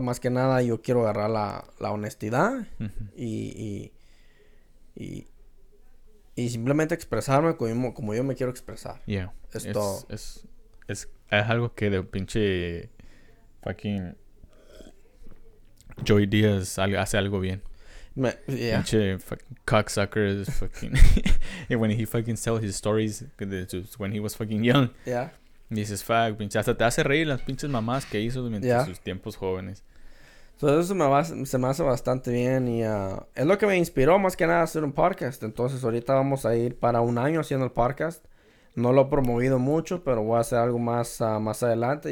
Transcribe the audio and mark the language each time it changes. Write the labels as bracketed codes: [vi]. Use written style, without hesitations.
[es] Más que nada, yo quiero agarrar la honestidad y simplemente expresarme como yo me quiero expresar. Es algo que de pinche fucking Joey Díaz hace algo bien. [en] Pinche fucking cocksucker is fucking when he fucking tells his stories when he was fucking young. [es] Dices fuck, pinche, hasta te hace reír las pinches mamás que hizo mientras sus tiempos jóvenes. Entonces eso se me hace bastante bien y es lo que me inspiró más que nada a hacer un podcast. Entonces ahorita vamos a ir para un año haciendo el podcast. No lo he promovido mucho, pero voy a hacer algo más más adelante.